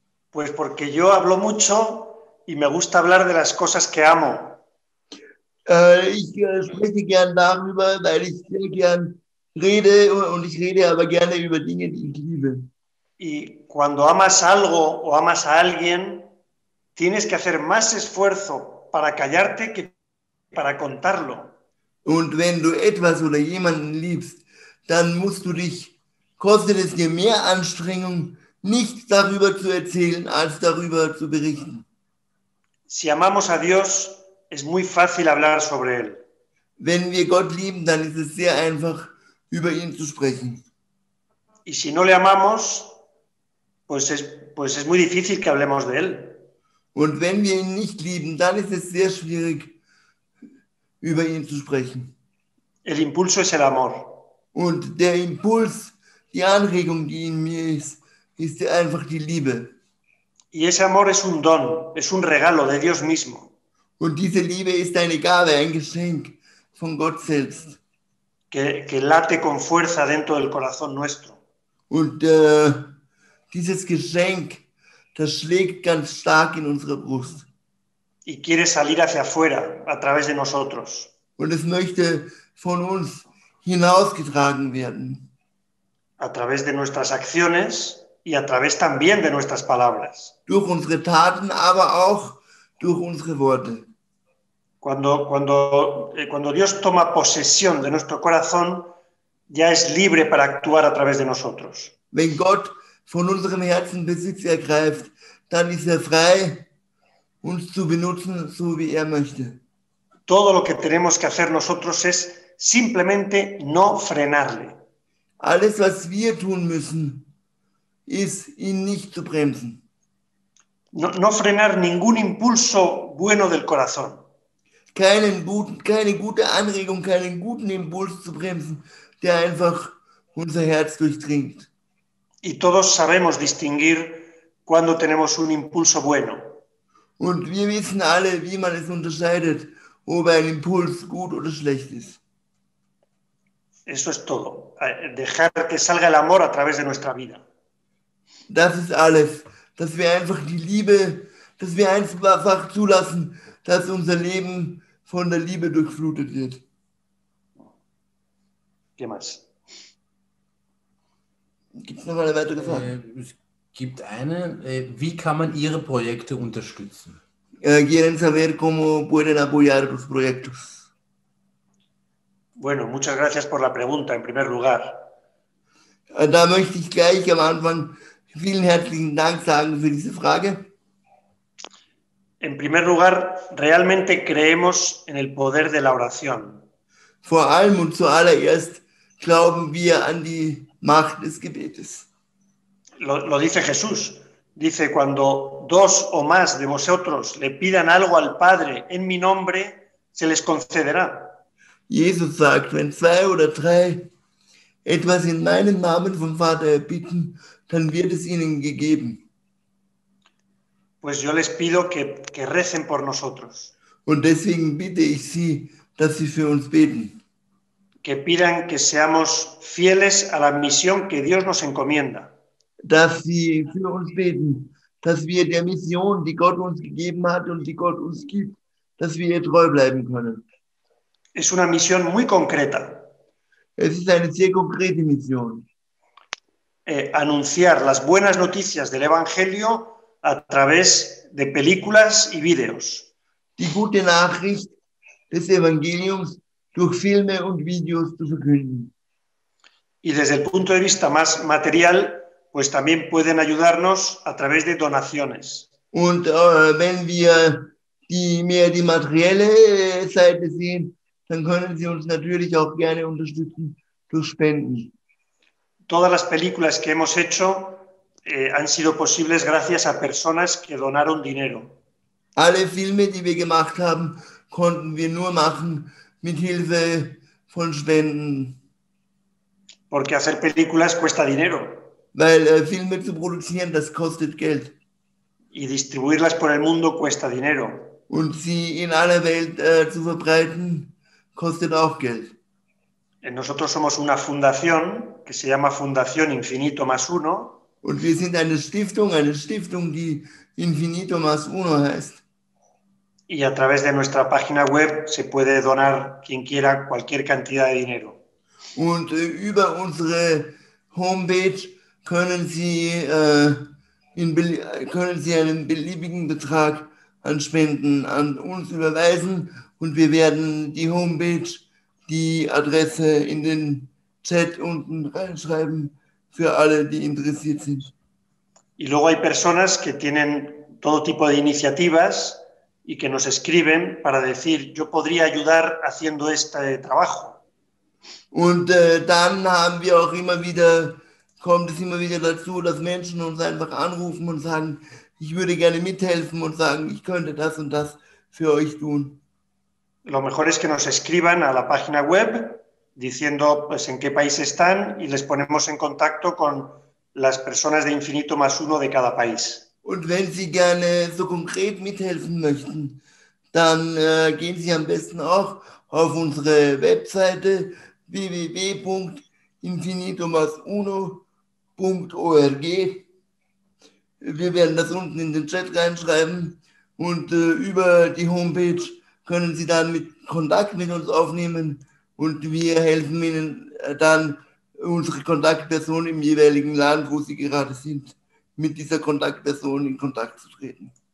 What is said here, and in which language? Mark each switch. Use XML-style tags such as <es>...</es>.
<es>Pues porque yo hablo mucho y me gusta hablar de las cosas que amo.</es> <de>Ich spreche gern darüber, weil ich sehr gern rede und ich rede aber gerne über Dinge, die ich liebe.</de> <es>Y cuando amas algo o amas a alguien, tienes que hacer más esfuerzo para callarte que para contarlo.</es> <de>Und wenn du etwas oder jemanden liebst, dann musst du dich, kostet es dir mehr Anstrengung, nicht darüber zu erzählen, als darüber zu berichten.</de> <es>Si amamos a Dios, es muy fácil hablar sobre él.</es> <de>Wenn wir Gott lieben, dann ist es sehr einfach, über ihn zu sprechen.</de> <es>Y si no le amamos, pues es muy difícil que hablemos de él.</es> <de>Und wenn wir ihn nicht lieben, dann ist es sehr schwierig, über ihn zu sprechen.</de> <es>El impulso es el amor.</es> <de>Und der Impuls, die Anregung, die in mir ist, ist einfach die Liebe.</de> <es>Y ese amor es un don, es un regalo de Dios mismo.</es> <de>Und diese Liebe ist eine Gabe, ein Geschenk von Gott selbst.</de> <es>Que late con fuerza dentro del corazón nuestro.</es> <de>Und dieses Geschenk, das schlägt ganz stark in unsere Brust.</de> <es>Y quiere salir hacia afuera, a través de nosotros.</es> <de>Und es möchte von uns hinausgetragen werden.</de> <es>A través de nuestras acciones y a través también de nuestras palabras.</es> <de>Durch unsere Taten, aber auch durch unsere Worte.</de> <es>Cuando Dios toma posesión de nuestro corazón, ya es libre para actuar a través de nosotros.</es> <de>Wenn Gott von unserem Herzen Besitz ergreift, dann ist frei, uns zu benutzen, so wie möchte.</de> <es>Todo lo que tenemos que hacer nosotros es simplemente no frenarle.</es> <de>Alles, was wir tun müssen, ist, ihn nicht zu bremsen.</de> <es>No frenar ningún impulso bueno del corazón.</es> <de>Keine gute Anregung, keinen guten Impuls zu bremsen, der einfach unser Herz durchdringt.</de> <es>Y todos sabemos distinguir cuando tenemos un impulso bueno.</es> <de>Und wir wissen alle, wie man es unterscheidet, ob ein Impuls gut oder schlecht ist.</de> <es>Eso es todo. Dejar que salga el amor a través de nuestra vida.</es> <de>Das ist alles. Dass wir einfach die Liebe, dass wir einfach zulassen, dass unser Leben von der Liebe durchflutet wird.</de> <es>¿Qué más?</es> <de>Gibt es noch eine weitere Frage? Es gibt eine. Wie kann man Ihre Projekte unterstützen?</de> <es>¿Quieren saber cómo pueden apoyar tus proyectos? Bueno, muchas gracias por la pregunta, en primer lugar.</es> <de>Da möchte ich gleich am Anfang vielen herzlichen Dank sagen für diese Frage.</de> <es>En primer lugar, realmente creemos en el poder de la oración.</es> <de>Vor allem und zuallererst glauben wir an die Macht des Gebetes.</de> <es>Lo dice Jesús. Dice, cuando dos o más de vosotros le pidan algo al Padre en mi nombre, se les concederá.</es> <de>Jesus sagt, wenn zwei oder drei etwas in meinem Namen vom Vater bitten, dann wird es ihnen gegeben.</de> <es>Pues yo les pido que recen por nosotros.</es> <de>Und deswegen bitte ich sie, dass sie für uns beten.</de> <es>Que pidan que seamos fieles a la misión que Dios nos encomienda.</es> <de>Dass sie für uns beten, dass wir der Mission, die Gott uns gegeben hat und die Gott uns gibt, dass wir ihr treu bleiben können.</de> <es>Es una misión muy concreta.</es> <de>Es ist eine sehr konkrete Mission.</de> <es>Anunciar las buenas noticias del Evangelio a través de películas y videos.</es> <de>Die gute Nachricht des Evangeliums durch Filme und Videos zu verkünden.</de> <es>Y desde el punto de vista más material, pues también pueden ayudarnos a través de donaciones.</es> <de>Und wenn wir mehr die materielle Seite sehen, dann können Sie uns natürlich auch gerne unterstützen durch Spenden.</de> <es>Todas las películas que hemos hecho han sido posibles gracias a personas que donaron dinero.</es> <de>Alle Filme, die wir gemacht haben, konnten wir nur machen mit Hilfe von Spenden.</de> <es>Porque hacer películas cuesta dinero.</es> <de>Weil Filme zu produzieren, das kostet Geld.</de> <es>Y distribuirlas por el mundo cuesta dinero.</es> <de>Und sie in aller Welt zu verbreiten, kostet auch Geld.</de> <es>Nosotros somos una fundación que se llama Fundación Infinito Más Uno.</es> <de>Und wir sind eine Stiftung, die Infinito Más Uno heißt.</de> <es>Y a través de nuestra página web se puede donar quien quiera cualquier cantidad de dinero.</es> <de>Und über unsere Homepage können Sie einen beliebigen Betrag an Spenden an uns überweisen. Und wir werden die Homepage, die Adresse in den Chat unten reinschreiben für alle, die interessiert sind.</de> <es>Y luego hay personas que tienen todo tipo de iniciativas y que nos escriben para decir, yo podría ayudar haciendo este trabajo.</es> <de>Und dann haben wir auch immer wieder, kommt es immer wieder dazu, dass Menschen uns einfach anrufen und sagen, ich würde gerne mithelfen und sagen, ich könnte das und das für euch tun.</de> <es>Lo mejor es que nos escriban a la página web diciendo pues, en qué país están y les ponemos en contacto con las personas de Infinito Más Uno de cada país.</es> <de>Und wenn Sie gerne so konkret mithelfen möchten, dann gehen Sie am besten auch auf unsere Webseite www.infinitomasuno.org. Wir werden das unten in den Chat reinschreiben und über die Homepage können Sie dann mit Kontakt mit uns aufnehmen und wir helfen Ihnen dann, unsere Kontaktperson im jeweiligen Land, wo Sie gerade sind, mit dieser Kontaktperson in Kontakt zu treten.</de>